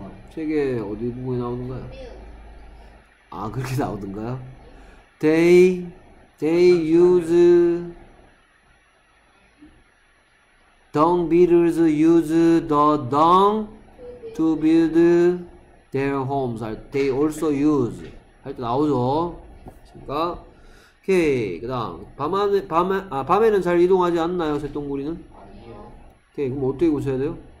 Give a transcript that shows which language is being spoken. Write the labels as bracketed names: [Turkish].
[Korean] 세계 어디 부분에 나오던가요? 아, 그렇게 나오던가요? [English] They use Dung beetles use the dung to build their homes. They also use. [Korean] 할때 나오죠. 그러니까, 오케이. 그다음 밤에는 잘 이동하지 않나요? 새똥구리는? 오케이. 그럼 어떻게 고쳐야 돼요?